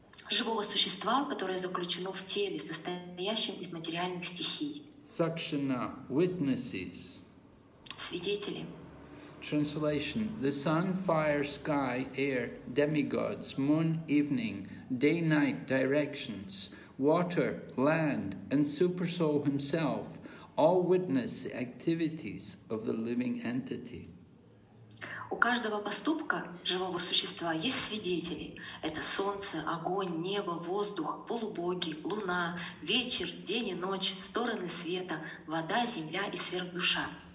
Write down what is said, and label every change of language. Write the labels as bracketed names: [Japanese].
[Russian] Живого существа, которое заключено в теле, состоящем из материальных стихий. [English] Sakshana, witnesses. [Russian] Свидетели. [English] Translation: The sun, fire, sky, air, demigods, moon, evening, day, night, directions, water, land, and supersoul himself all witness the activities of the living entity. [Russian] У каждого поступка живого существа есть свидетели. Это солнце, огонь, небо, воздух, полубоги, луна, вечер, день и ночь, стороны света, вода, земля и сверхдуша.